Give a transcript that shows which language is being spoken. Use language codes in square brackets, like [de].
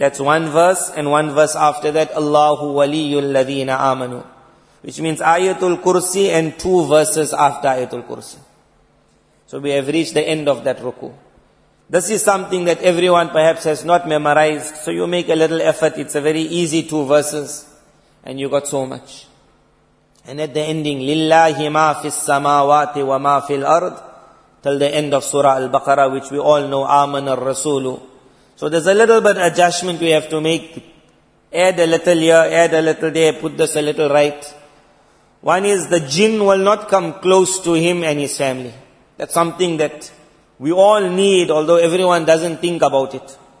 [en] That's one verse, and one verse after that, [ar] الله ولي الذين آمنوا, [en] which means Ayatul Kursi and two verses after Ayatul Kursi. So we have reached the end of that ruku. This is something that everyone perhaps has not memorized. So you make a little effort. It's a very easy two verses, and you got so much. And at the ending, [ar] لله ما في السماوات وما في الأرض. [en] Till the end of Surah Al-Baqarah, which we all know, Aman al-Rasulu. So there's a little bit of adjustment we have to make. Add a little here, add a little there, put this a little right. One is the jinn will not come close to him and his family. That's something that we all need, although everyone doesn't think about it.